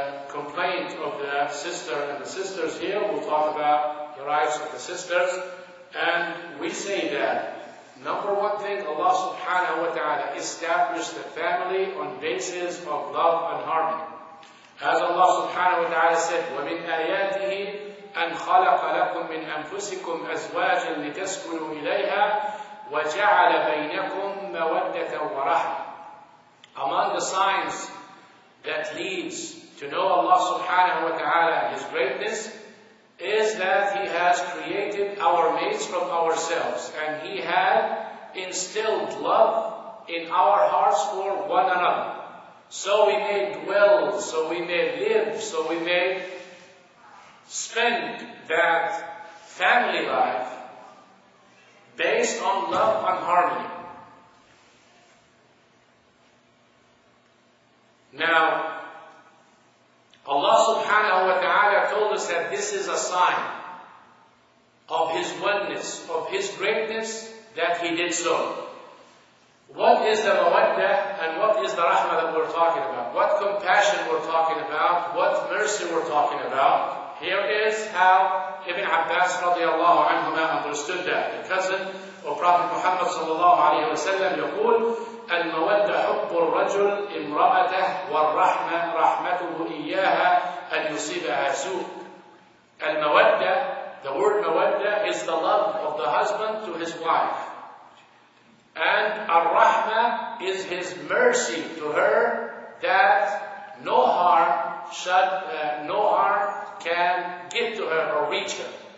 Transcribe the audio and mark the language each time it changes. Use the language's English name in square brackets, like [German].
[English] complaint of the sister and the sisters here. We'll talk about the rights of the sisters. And we say that number one thing, Allah subhanahu wa ta'ala established the family on basis of love and harmony. As Allah subhanahu wa ta'ala said, [Arabic] وَمِنْ آيَاتِهِ أَنْ خَلَقَ لَكُمْ مِنْ أَنْفُسِكُمْ أَزْوَاجًا لِتَسْكُنُوا إِلَيْهَا وَجَعَلَ بَيْنَكُمْ مَوَدَّةً وَرَحْمًا. [English] Among the signs that leads to know Allah subhanahu wa ta'ala and His greatness is that He has created our mates from ourselves, and He had instilled love in our hearts for one another. So we may dwell, so we may live, so we may spend that family life based on love and harmony. Now, Allah subhanahu wa ta'ala told us that this is a sign of His oneness, of His greatness, that He did so. What is the mawaddah and what is the rahmah that we're talking about? What compassion we're talking about? What mercy we're talking about? Here is how Ibn Abbas radiallahu anhuma understood that. The cousin of Prophet Muhammad sallallahu alayhi wa sallam [Arabic] يقول المودة حب الرجل امرأته والرحمة رحمته إياها أن يصيبها سوء. [English] المودة, the word مودة, is the love of the husband to his wife. And الرحمة is his mercy to her, that no harm should, no harm can get to her or reach her.